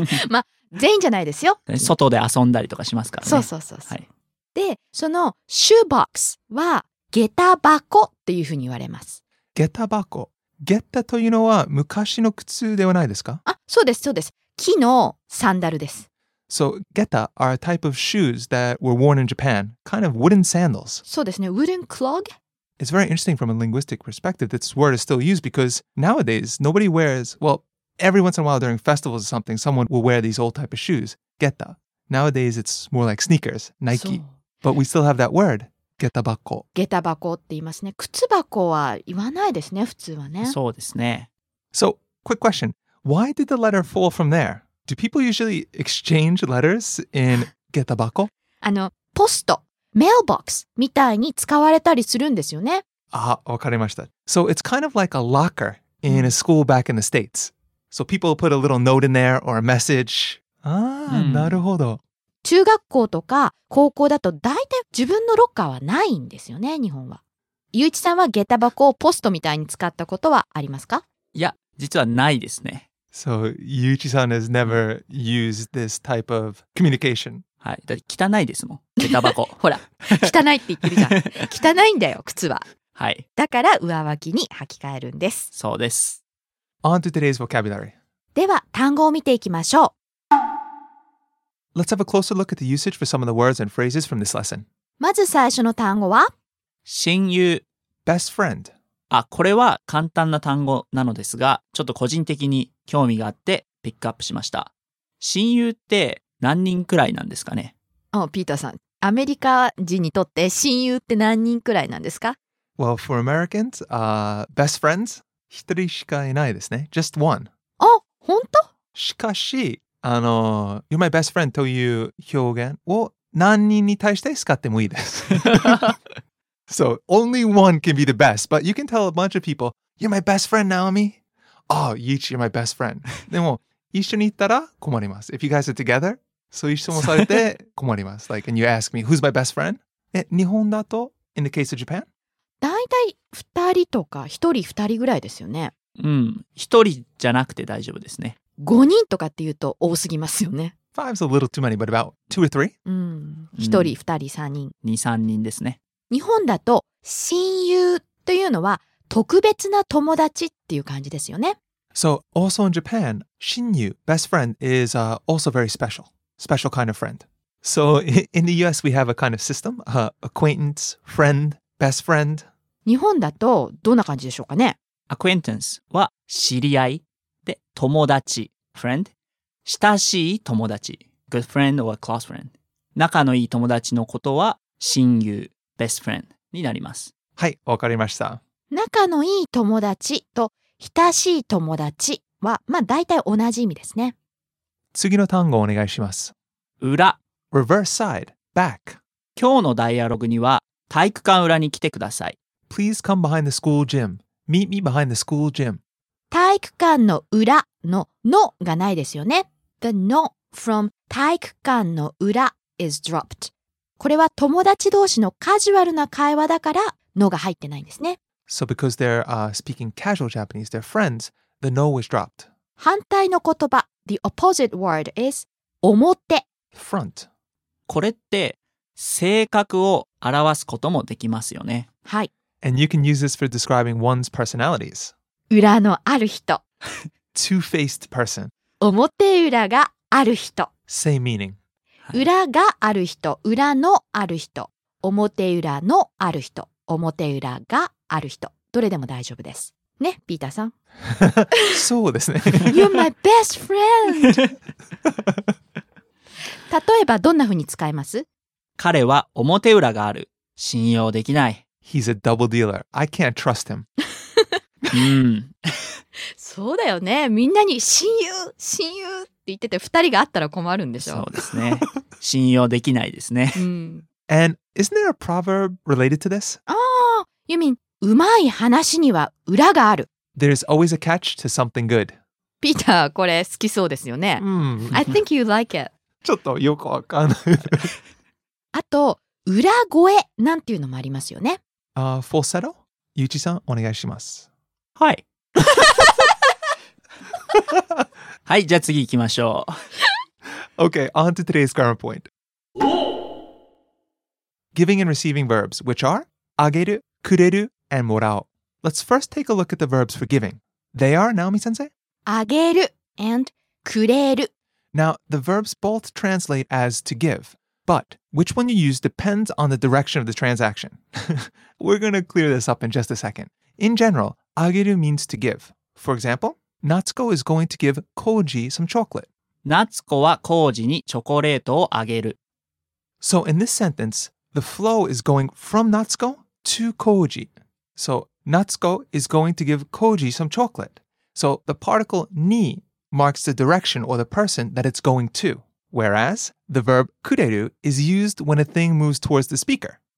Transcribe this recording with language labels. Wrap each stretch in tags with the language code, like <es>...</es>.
<ja>まあ、全員じゃないですよ。外で遊んだりとかしますからね。そう、はい。で、その shoebox は下駄箱っていうふうに言われます。下駄箱。下駄というのは昔の靴ではないですか? あ、そうです。木のサンダルです。</ja> <en>So, geta are a type of shoes that were worn in Japan, kind of wooden sandals.</en> <ja>そうですね、</ja> <en>wooden clog? It's very interesting from a linguistic perspective that this word is still used because nowadays, nobody wears, well, every once in a while during festivals or something, someone will wear these old type of shoes, geta. Nowadays, it's more like sneakers, Nike. But we still have that word, geta bako.</en> <ja>Geta bako って言いますね。靴箱は言わないですね、普通はね。そうですね。</ja> <en>So, quick question. Why did the letter fall from there? Do people usually exchange letters in geta bako?</en> <ja>ポスト、mailbox みたいに使われたりするんですよね。あ、わかりました。</ja> <en>So it's kind of like a locker in a school back in the States. So people put a little note in there or a message.</en> <ja>なるほど。中学校とか高校だと大体自分のロッカーはないんですよね、日本は。ゆういちさんはゲタ箱をポストみたいに使ったことはありますか? いや、実はないですね。</ja> <en>So, Yuichi-san has never used this type of communication.</en> <ja>はい。だって汚いですもん。下駄箱。ほら。汚いって言ってるじゃん。汚いんだよ、靴は。はい。だから上履きに履き替えるんです。そうです。</ja> <en>On to today's vocabulary.</en> <ja>では、単語を見ていきましょう。</ja> <en>Let's have a closer look at the usage for some of the words and phrases from this lesson.</en> <ja>まず最初の単語は、親友。</ja> <en>Best friend.</en> <ja>あ、これは簡単な単語なのですが、ちょっと個人的に興味があってピックアップしました。親友って何人くらいなんですかね。あ、ピーターさん、アメリカ人にとって親友って何人くらいなんですか。</ja> <en>Well, for Americans, best friends,</en> <ja>一人しかいないですね。</ja> <en>Just one.</en> <ja>あ、本当？しかし、</ja> <en>You're my best friend</en> <ja>という表現を何人に対して使ってもいいです。</ja> <en>So, only one can be the best, but you can tell a bunch of people, You're my best friend, Naomi. Oh, Yichi, you're my best friend.</en> <ja>でも、一緒に行ったら困ります。</ja> <en>If you guys are together,</en> <ja>そういう質問されて困ります。</ja> <en>Like, and you ask me, who's my best friend?</en> <ja>日本だと、</ja> <en>in the case of Japan?</en> <ja>大体2人とか、1人2人ぐらいですよね。うん、1人じゃなくて大丈夫ですね。 5人とかっていうと多すぎますよね。</ja> <en>Five's a little too many, but about two or three?</en> <ja>1人、2人、3人。 2、3人ですね。日本だと親友というのは特別な友達っていう感じですよね。</ja> <en>So, also in Japan, 親友、best friend is also very special. Special kind of friend. So, in the US, we have a kind of system. Acquaintance, friend, best friend.</en> <ja>日本だとどんな感じでしょうかね。 Acquaintance は知り合い。で、友達、friend、親しい友達、good friend or close friend、仲のいい友達のことは親友、best friend になります。はい、わかりました。仲のいい友達と親しい友達は、まあ大体同じ意味ですね。次の単語をお願いします。裏、</ja> <en>reverse side、back。</en> <ja>今日のダイアログには体育館裏に来てください。</ja> <en>Please come behind the school gym. Meet me behind the school gym.</en> <ja>体育館の裏ののがないですよね。</ja> <en>The no from 体育館の裏 is dropped.</en> <ja>これは友達同士のカジュアルな会話だからのが入ってないんですね。</ja> <en>So because they're speaking casual Japanese, they're friends, the no was dropped.</en> <ja>反対の言葉、</ja> <en>the opposite word is 表。 Front.</en> <ja>これって性格を表すこともできますよね。はい。</ja> <en>And you can use this for describing one's personalities.</en> <ja>裏のある人。</ja> <en>Two-faced person.</en> <ja>表裏がある人。</ja> <en>Same meaning.</en> <ja>裏がある人、裏のある人、表裏のある人、表裏がある人。どれでも大丈夫です。ね、ピーターさん。そうですね。</ja> <en>You're my best friend!</en> <ja>例えばどんな風に使えます？彼は表裏がある。信用できない。</ja> <en>He's a double dealer. I can't trust him.</en> <ja>そうだよね。みんなに親友、親友って言ってて、二人があったら困るんでしょう。そうですね。信用できないですね。</ja> <en>And isn't there a proverb related to this? Oh, you mean,</en> <ja>うまい話には裏がある。</ja> <en>There's always a catch to something good.</en> <ja>ピーター、これ好きそうですよね。</ja> <en>I think you like it.</en> <ja>ちょっとよくわかんない。あと、裏声なんていうのもありますよね。</ja> <en>Falsetto?</en> <ja>ゆうちさん、お願いします。はい。はい、じゃあ次行きましょう。</ja> <en>Okay, on to today's grammar point. Giving and receiving verbs, which are あげる、くれる、and もらう。 Let's first take a look at the verbs for giving. They are, Naomi-sensei?</en> <ja>あげる and くれる。</ja> <en>Now, the verbs both translate as to give, but which one you use depends on the direction of the transaction. We're going to clear this up in just a second. In general,あげる means to give. For example, Natsuko is going to give Koji some chocolate.</en> <ja>Natsuko は Koji にチョコレートをあげる。</ja> <en>So in this sentence, the flow is going from Natsuko to Koji. So Natsuko is going to give Koji some chocolate. So the particle ni marks the direction or the person that it's going to. Whereas the verb kureru is used when a thing moves towards the speaker.</en>